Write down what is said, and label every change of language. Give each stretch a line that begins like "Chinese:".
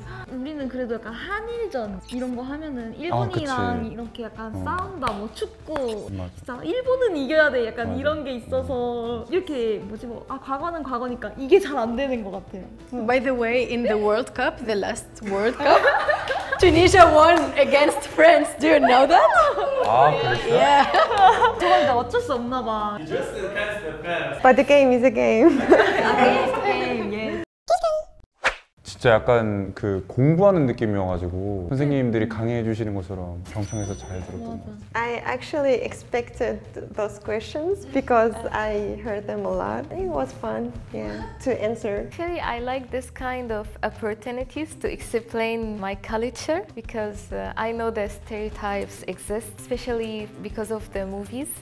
Korean: 우리는 그래도 약간 한일전 이런 거 하면은 일본이랑 이렇게 약간 싸운다 뭐 축구 맞아. 진짜 일본은 이겨야 돼 약간 맞아. 이런 게 있어서 이렇게 뭐지 뭐 아 과거는 과거니까 이게 잘 안 되는 것 같아요.
English: By the way, in the World Cup, the last World Cup. Tunisia won against France. Do you know that?
Korean: Ah, 그랬어?
English: Yeah.
Korean: 정말 나 어쩔 수 없나 봐.
English: You just didn't catch the best. But the game is a game. Game, yes.
Korean: 진짜 약간 그 공부하는 느낌이어가지고 선생님들이 강의해 주시는 것처럼 경청해서 잘 들었던 것 같아요.
English: I actually expected those questions because I heard them a lot. It was fun, yeah, to answer. Actually, I like this kind of opportunities to explain my culture because I know that stereotypes exist, especially because of the movies.